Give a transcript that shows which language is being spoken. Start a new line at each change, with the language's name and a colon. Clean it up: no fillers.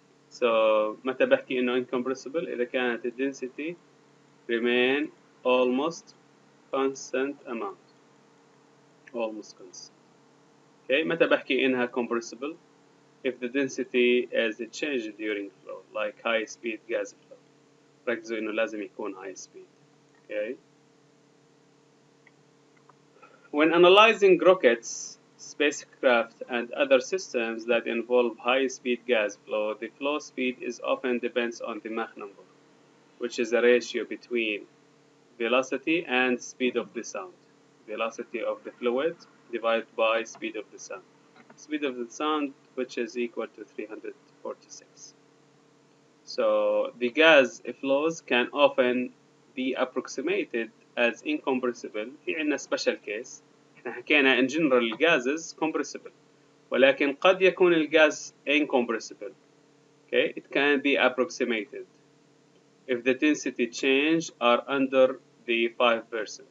English: So
Arabic: متى بحكي إنه
English: incompressible
Arabic: إذا كانت
English: the density remain almost constant amount. Almost constant. Okay.
Arabic: متى بحكي إنها
English: compressible if the density is changed during flow, like high speed gas flow.
Arabic: ركزوا إنه لازم يكون high speed.
English: Okay. When analyzing rockets, spacecraft, and other systems that involve high-speed gas flow, the flow speed is often depends on the Mach number, which is a ratio between velocity and speed of the sound. Velocity of the fluid divided by speed of the sound. Speed of the sound, which is equal to 346. So the gas flows can often be approximated as incompressible. Here in a special case.
Arabic: احنا حكينا
English: in general gases compressible
Arabic: ولكن قد يكون الغاز incompressible.
English: Okay, it can be approximated if the density change are under the 5%.